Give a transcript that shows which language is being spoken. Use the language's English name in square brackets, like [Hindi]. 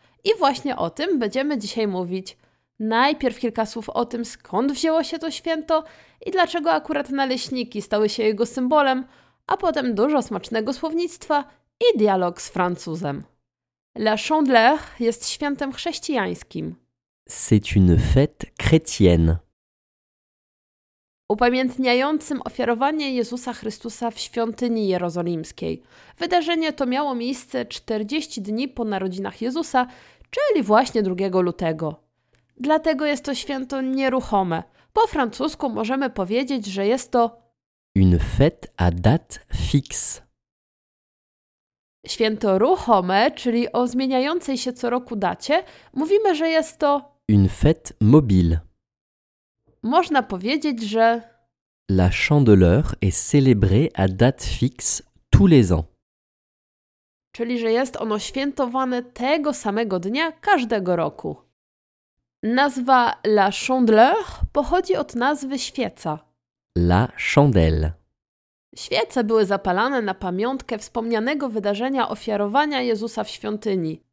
[Polish] I właśnie o tym będziemy dzisiaj mówić. Najpierw kilka słów o tym, skąd wzięło się to święto i dlaczego akurat naleśniki stały się jego symbolem, a potem dużo smacznego słownictwa i dialog z Francuzem. La Chandeleur jest świętem chrześcijańskim. [French] C'est une fête chrétienne. [Polish] Upamiętniającym ofiarowanie Jezusa Chrystusa w świątyni jerozolimskiej. Wydarzenie to miało miejsce 40 dni po narodzinach Jezusa, czyli właśnie 2 lutego. Dlatego jest to święto nieruchome. Po francusku możemy powiedzieć, że jest to [French] une fête à date fixe. [Polish] Święto ruchome, czyli o zmieniającej się co roku dacie, mówimy, że jest to [French] une fête mobile. [Polish] Można powiedzieć, że [French] La Chandeleur est célébrée à date fixe tous les ans. [Polish] Czyli że jest ono świętowane tego samego dnia każdego roku. Nazwa La Chandeleur pochodzi od nazwy świeca. [French] La Chandelle. [Polish] Świece były zapalane na pamiątkę wspomnianego wydarzenia ofiarowania Jezusa w świątyni.